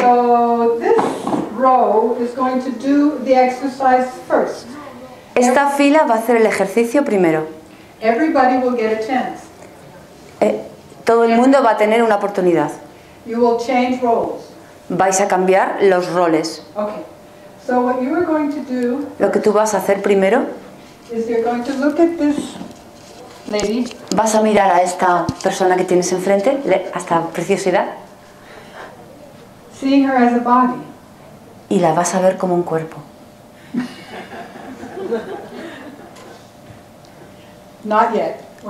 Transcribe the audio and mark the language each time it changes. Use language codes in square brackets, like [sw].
[en] So this row is going to do the exercise first. [es] Esta fila va a hacer el ejercicio primero. [en] Everybody will get a chance. [es] Todo el mundo va a tener una oportunidad. [en] You will change roles. [es] Vais a cambiar los roles. [en] Okay. So what you are going to do, [es] lo que tú vas a hacer primero [en] is you're going to look at this lady. [es] Vas a mirar a esta persona que tienes enfrente, a esta preciosidad. [en] Seeing her as a body. [es] Y la vas a ver como un cuerpo. [en] Not yet.